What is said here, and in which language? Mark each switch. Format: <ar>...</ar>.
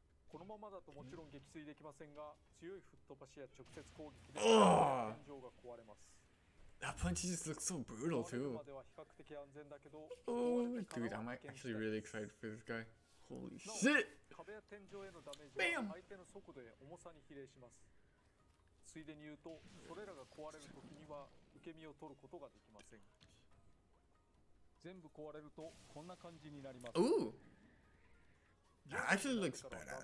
<ja>このままだともちろん撃墜できませんが、強い吹っ飛ばしや直接攻撃で天井が壊れます。</ja> <en>That punch just looks so brutal too.</en> <ja>までは比較的安全だけど、</ja> <en>dude, I'm actually really excited for this guy. Holy shit!</en> <ja>壁や天井へのダメージは相手の速度や重さに比例します。ついでに言うと、それらが壊れる時には受け身を取ることができません。全部壊れるとこんな感じになります。</ja> <en>Ooh! That actually looks badass. 画</en>